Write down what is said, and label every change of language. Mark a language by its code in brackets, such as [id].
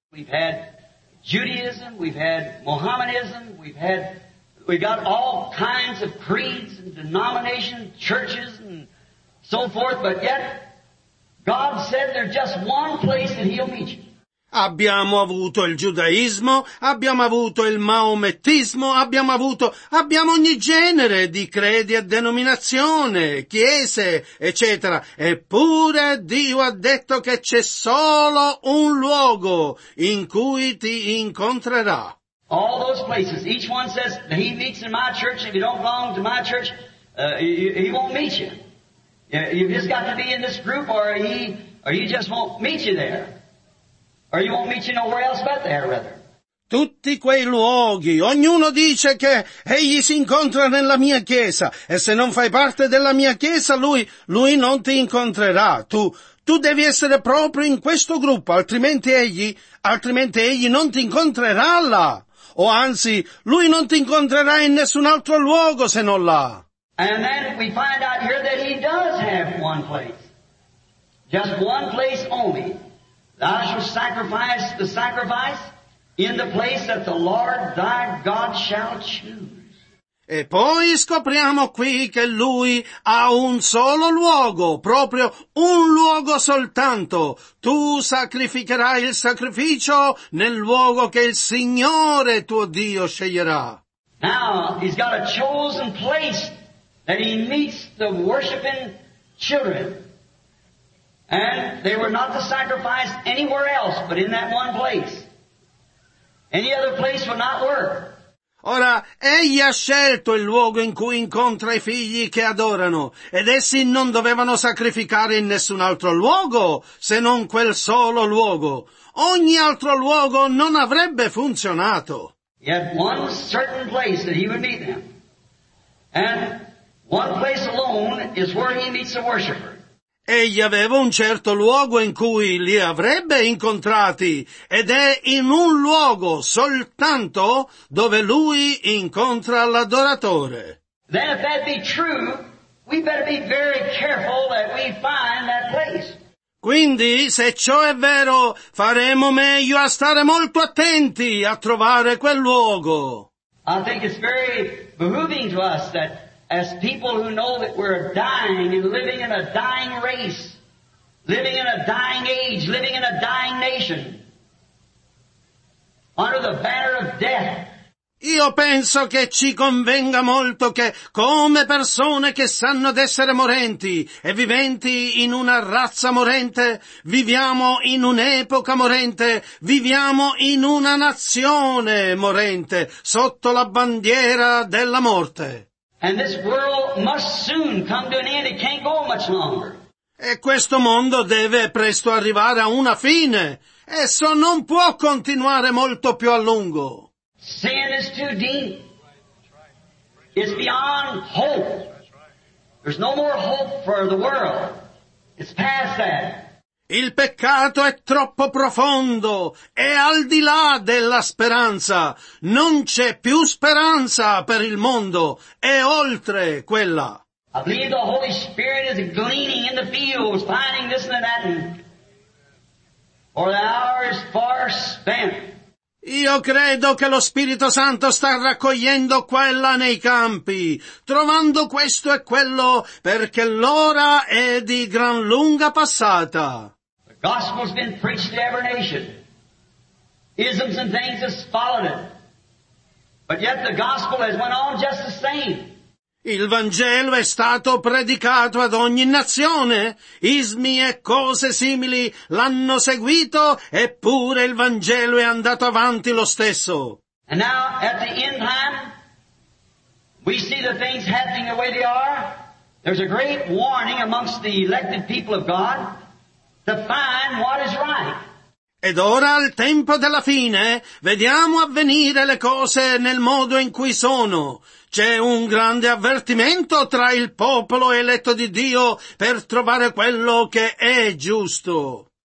[en] We've had Judaism, we've had Mohammedism, we've got all kinds of creeds and denominations, churches and so forth, but yet God said there's just one place that He'll meet you. [it] Abbiamo avuto il giudaismo, abbiamo avuto il maomettismo, abbiamo ogni genere di credi e denominazione, chiese, eccetera. Eppure Dio ha detto che c'è solo un luogo in cui ti incontrerà. [en] All those places, each one says that He meets in my church. If you don't belong to my church, He won't meet you. You've just got to be in this group or He just won't meet you there. Or you won't meet you nowhere else but there, rather. [it] Tutti quei luoghi, ognuno dice che Egli si incontra nella mia chiesa, e se non fai parte della mia chiesa, Lui non ti incontrerà. Tu devi essere proprio in questo gruppo, altrimenti Egli non ti incontrerà là. O anzi, Lui non ti incontrerà in nessun altro luogo se non là. [en] And then we find out here that He does have one place. Just one place only. Thou shalt sacrifice the sacrifice in the place that the Lord thy God shall choose. [it] E poi scopriamo qui che Lui ha un solo luogo, proprio un luogo soltanto. Tu sacrificherai il sacrificio nel luogo che il Signore tuo Dio sceglierà. [en] Now, He's got a chosen place that He meets the worshiping children. And they were not to sacrifice anywhere else, but in that one place. Any other place would not work. [it] Ora, Egli ha scelto il luogo in cui incontra i figli che adorano, ed essi non dovevano sacrificare in nessun altro luogo, se non quel solo luogo. Ogni altro luogo non avrebbe funzionato. [en] He had one certain place that He would meet them. And one place alone is where He meets the worshiper. [it] Egli aveva un certo luogo in cui li avrebbe incontrati, ed è in un luogo soltanto dove lui incontra l'adoratore. [en] Then if that be true, we better be very careful that we find that place. [it] Quindi, se ciò è vero, faremo meglio a stare molto attenti a trovare quel luogo. [en] I think it's very behooving to us that as people who know that we're dying and living in a dying race, living in a dying age, living in a dying nation, under the banner of death. [it] Io penso che ci convenga molto che, come persone che sanno d'essere morenti e viventi in una razza morente, viviamo in un'epoca morente, viviamo in una nazione morente, sotto la bandiera della morte. [en] And this world must soon come to an end. It can't go much longer. [it] E questo mondo deve presto arrivare a una fine. Esso non può continuare molto più a lungo. [en] Sin is too deep. It's beyond hope. There's no more hope for the world. It's past that. [it] Il peccato è troppo profondo, è al di là della speranza. Non c'è più speranza per il mondo, è oltre quella. [en] I believe the Holy Spirit is gleaning in the fields, finding this and that, or the hour is far spent. [it] Io credo che lo Spirito Santo sta raccogliendo quella nei campi, trovando questo e quello, perché l'ora è di gran lunga passata. [en] The gospel's been preached to every nation. Isms and things have followed it. But yet the gospel has went on just the same. [it] Il Vangelo è stato predicato ad ogni nazione, ismi e cose simili l'hanno seguito, eppure il Vangelo è andato avanti lo stesso. [en] And now, at the end time, we see the things happening the way they are. There's a great warning amongst the elected people of God to find what is right. [it] Ed ora, al tempo della fine, vediamo avvenire le cose nel modo in cui sono. C'è un grande avvertimento tra il popolo eletto di Dio per trovare quello che è giusto.